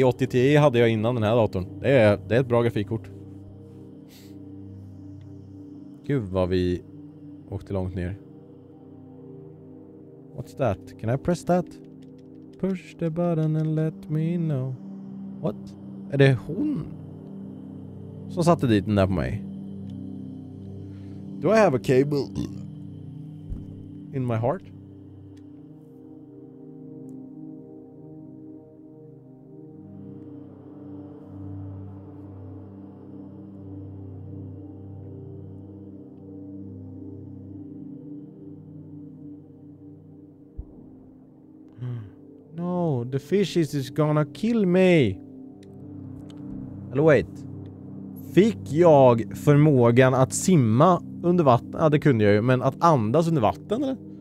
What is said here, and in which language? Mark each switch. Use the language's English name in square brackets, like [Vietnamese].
[Swedish] Ti hade jag innan den här datorn. Det är ett bra grafikkort. Gud vad vi åkte långt ner. [English] What's that? Can I press that? Push the button and let me know. What? [Swedish] Är det hon som satte dit den där på mig? [English] Do I have a cable in my heart? No, the fishes is gonna kill me. Hello, wait. [Swedish] Fick jag förmågan att simma under vatten? Ja, det kunde jag ju. Men att andas under vatten, eller?